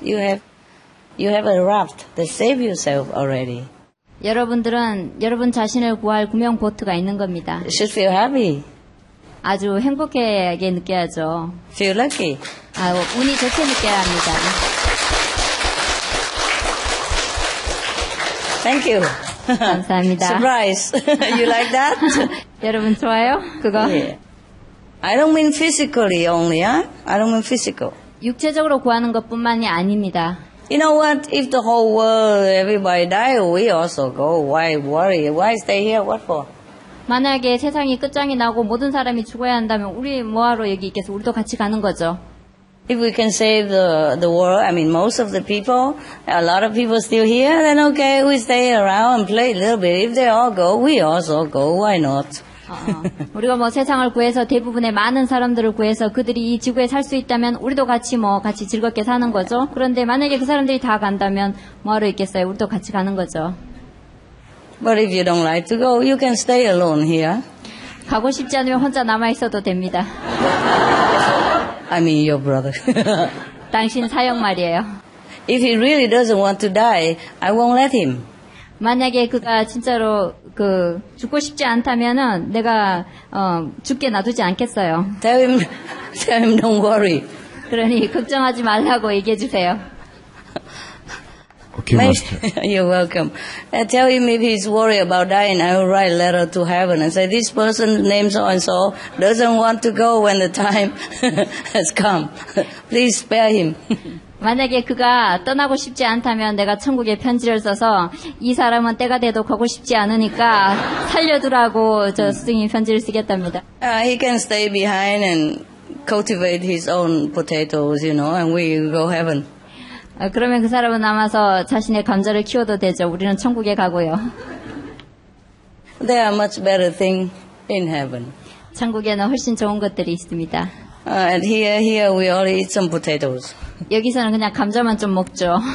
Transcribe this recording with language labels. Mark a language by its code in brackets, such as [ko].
[en] You have a raft that save yourself already. [ko] 여러분들은 여러분 자신을 구할 구명 보트가 있는 겁니다. [en] You should feel happy. [ko] 아주 행복하게 느껴야죠. [en] Feel lucky. [ko] 아, 운이 좋게 느껴야 합니다. [en] Thank you. [ko] 감사합니다. [en] Surprise. You like that? [ko] 여러분 좋아요? 그거? [en] Yeah. I don't mean physically only, huh? I don't mean physical. [ko] 육체적으로 구하는 것뿐만이 아닙니다. [en] You know what? If the whole world, everybody die, we also go. Why worry? Why stay here? What for? [ko] 만약에 세상이 끝장이 나고 모든 사람이 죽어야 한다면 우리 뭐하러 여기 있겠어? 우리도 같이 가는 거죠. [en] If we can save the world, I mean most of the people, a lot of people still here, then okay, we stay around and play a little bit. If they all go, we also go. Why not? [ko] 우리가 뭐 세상을 구해서 대부분의 많은 사람들을 구해서 그들이 이 지구에 살 수 있다면 우리도 같이 뭐 같이 즐겁게 사는 거죠. 그런데 만약에 그 사람들이 다 간다면 뭐하러 있겠어요? 우리도 같이 가는 거죠. [en] But if you don't like to go, you can stay alone here. [ko] 가고 싶지 않으면 혼자 남아 있어도 됩니다. [en] I mean your brother. [ko] 당신 사형 말이에요. [en] If he really doesn't want to die, I won't let him. [ko] 만약에 그가 진짜로 그 죽고 싶지 않다면은 내가 죽게 놔두지 않겠어요. [en] Tell him don't worry. [ko] 그러니 걱정하지 말라고 얘기해 주세요. [en] Okay, Master. You're welcome. Tell him if he's worried about dying, I will write a letter to heaven and say, this person's name so-and-so doesn't want to go when the time has come. Please spare him. [ko] 만약에 그가 떠나고 싶지 않다면 내가 천국에 편지를 써서 이 사람은 때가 돼도 가고 싶지 않으니까 살려두라고 저 스승님 편지를 쓰겠답니다. [en] He can stay behind and cultivate his own potatoes, you know, and we go heaven. [ko] 그러면 그 사람은 남아서 자신의 감자를 키워도 되죠. 우리는 천국에 가고요. [en] There are much better things in heaven. [ko] 천국에는 훨씬 좋은 것들이 있습니다. [en] And here we all eat some potatoes. [ko] 여기서는 그냥 감자만 좀 먹죠.